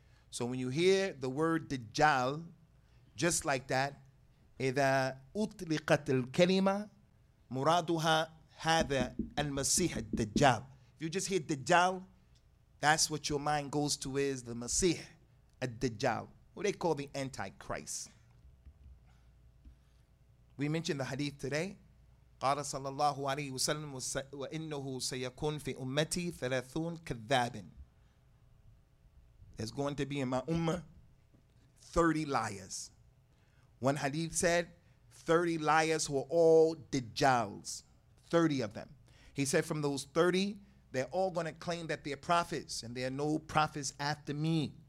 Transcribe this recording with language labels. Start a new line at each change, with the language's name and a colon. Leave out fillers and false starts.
English: So when you hear the word Dajjal, just like that,
Arabic: إِذَا أُطْلِقَتِ الْكَلِمَةِ مُرَادُهَا هَذَا الْمَسِيحَ الدَّجَّال.
English: If you just hear Dajjal, that's what your mind goes to, is the Masih, الدَّجَّال, who they call the Antichrist. We mentioned the hadith today.
Arabic: قال صلى الله عليه وسلم وإنه سيكون في أمتي ثلاثون كذاب.
English: There's going to be in my ummah 30 liars. One hadith said 30 liars who are all Dajjals. 30 of them. He said from those 30, they're all going to claim that they're prophets and there are no prophets after me.